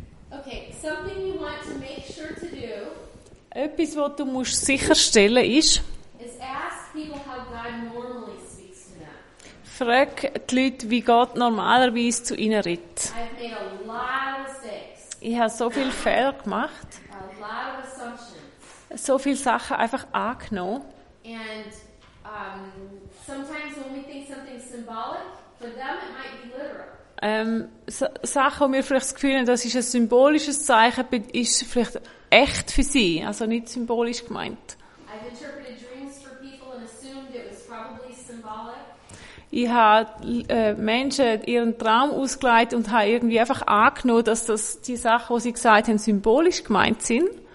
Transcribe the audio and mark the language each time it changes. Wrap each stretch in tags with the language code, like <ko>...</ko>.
<en>Okay, something you want to make sure to do.</en> <de>Etwas, was du musst sicherstellen ist.</de> <en>Is ask people how God normally speaks to them.</en> <de>Frag die Leute, wie Gott normalerweise zu ihnen redet.</de> <en>I've made a lot of mistakes.</en> <de>Ich habe so viele Fehler gemacht.</de> <en>A lot of assumptions.</en> <de>So viele Sachen einfach angenommen.</de> <en>And sometimes when we think something's symbolic, for them it might be literal.</en> <de>Sachen, die wir vielleicht das Gefühl haben, das ist ein symbolisches Zeichen, ist vielleicht echt für sie, also nicht symbolisch gemeint.</de> <en>I've interpreted dreams for people and assumed it was probably symbolic.</en> <de>Ich habe Menschen ihren Traum ausgelegt und habe irgendwie einfach angenommen, dass das die Sachen, die sie gesagt haben, symbolisch gemeint sind.</de>